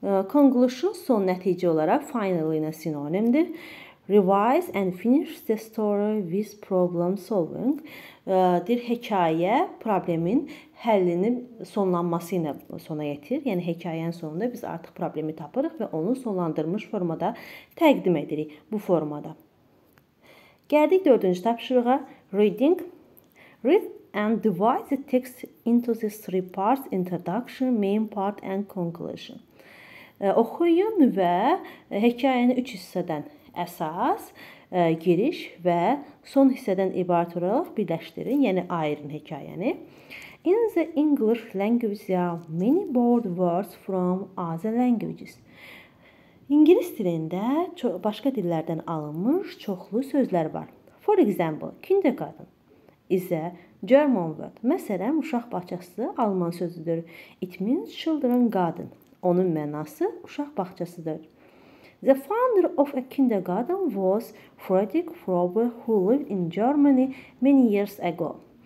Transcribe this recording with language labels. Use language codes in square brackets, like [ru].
[az] Conclusion son nəticə olaraq finally ilə sinonimdir. [en] Revise and finish the story with problem solving. [az] Dir hekayə problemin həllinin sonlanması ilə sona yetir. Yəni, hekayənin sonunda biz artıq problemi tapırıq və onu sonlandırmış formada təqdim edirik bu formada. Gəldik 4-cü tapşırığa. Reading. [en] Read and divide the text into the three parts. Introduction, main part and conclusion. [az] Oxuyun və hekayəni 3 hissədən əsas, giriş və son hissədən ibarət olaraq birləşdirin, yəni ayırın hekayəni. [en] In the English language there are many borrowed words from other languages. [az] İngilis dilində başqa dillərdən alınmış çoxlu sözlər var. [en] For example, kindergarten is a German word. [az] Məsələn, uşaq bağçası alman sözüdür. [en] It means children garden. [az] Onun mənası uşaq bağçasıdır. [en] The founder of a kindergarten was Friedrich Froebel, who lived in Germany many years ago.